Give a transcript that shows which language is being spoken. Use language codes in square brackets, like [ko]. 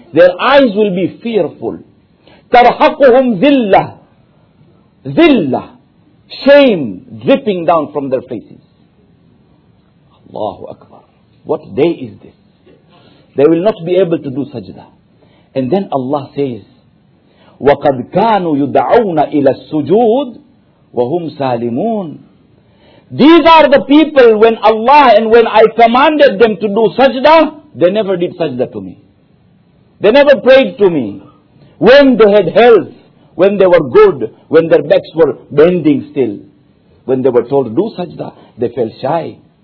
[en] Their eyes will be fearful. [ar] تَرْحَقُهُمْ ذِلَّةٌ. ذِلَّةٌ. [en] Shame dripping down from their faces. Allahu Akbar. What day is this? They will not be able to do sajda. And then Allah says, [ar] وَقَدْ كَانُوا يُدْعَوْنَ إِلَى السُّجُودِ وَهُمْ سَالِمُونَ. [en] These are the people when Allah and when I commanded them to do sajda, they never did sajda to me. They never prayed to me. When they had health, when they were good, when their backs were bending still, when they were told to do sajda, they felt shy.